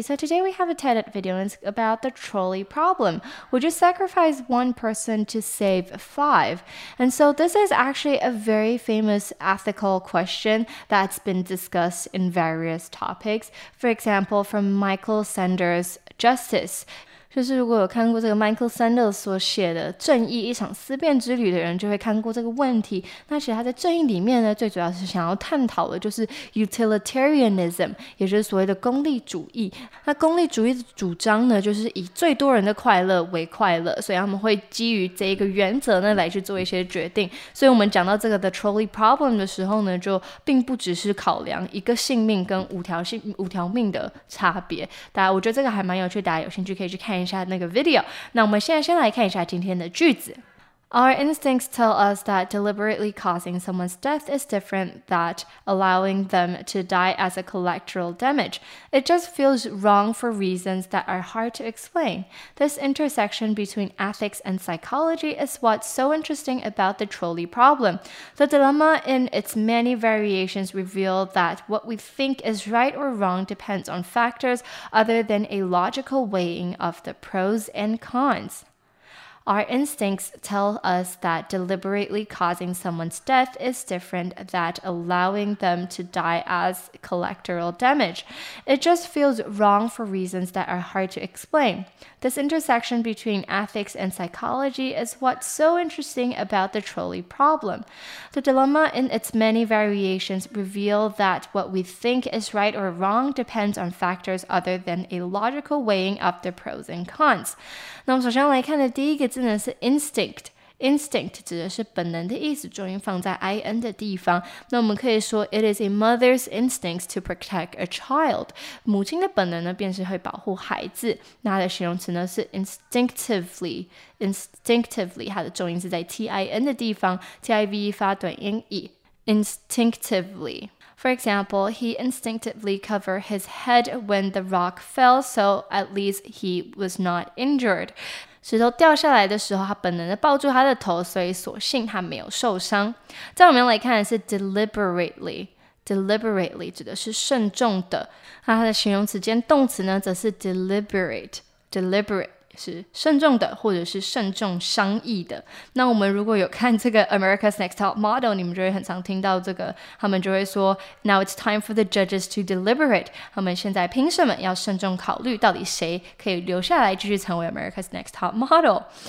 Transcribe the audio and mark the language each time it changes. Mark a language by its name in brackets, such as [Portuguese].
[English] So today we have a TED video, and it's about the trolley problem. Would you sacrifice one person to save five? And so this is actually a very famous ethical question that's been discussed in various topics. For example, from Michael Sanders, Justice. [Chinese] 就是如果有看过这个 Michael Sanders 所写的《正义：一场思辨之旅》的人，就会看过这个问题。那其实他在《正义》里面呢，最主要是想要探讨的就是 utilitarianism， 也就是所谓的功利主义。那功利主义的主张呢，就是以最多人的快乐为快乐，所以他们会基于这一个原则呢来去做一些决定。所以我们讲到这个 the trolley problem 的时候呢，就并不只是考量一个性命跟五条命的差别。大家我觉得这个还蛮有趣，大家有兴趣可以去看。看一下那个 video， 那我们现在先来看一下今天的句子。 [English] Our instincts tell us that deliberately causing someone's death is different than allowing them to die as a collateral damage. It just feels wrong for reasons that are hard to explain. This intersection between ethics and psychology is what's so interesting about the trolley problem. The dilemma in its many variations reveals that what we think is right or wrong depends on factors other than a logical weighing of the pros and cons. Our instincts tell us that deliberately causing someone's death is different than allowing them to die as collateral damage. It just feels wrong for reasons that are hard to explain. This intersection between ethics and psychology is what's so interesting about the trolley problem. The dilemma in its many variations reveals that what we think is right or wrong depends on factors other than a logical weighing of the pros and cons. [Chinese] 那我们首先来看的第一个字呢是 instinct， instinct 指的是本能的意思，重音放在 in 的地方。那我们可以说 [English] it is a mother's instinct to protect a child， [Chinese] 母亲的本能呢便是会保护孩子。那它的形容词呢是 instinctively， instinctively 它的重音是在 tin 的地方， tive 发短音 e， instinctively。 [English] For example, he instinctively covered his head when the rock fell, so at least he was not injured. [Chinese] 石头掉下来的时候，他本能地抱住他的头，所以所幸他没有受伤。在我们来看的是 deliberately。deliberately 指的是慎重的。那它的形容词兼动词呢，则是 deliberate。 deliberate。是慎重的或者是慎重商议的。那我们如果有看这个 America's Next Top Model， 你们就会很常听到这个，他们就会说 [English] Now it's time for the judges to deliberate， [Chinese] 他们现在凭什么要慎重考虑到底谁可以留下来继续成为 America's Next Top Model。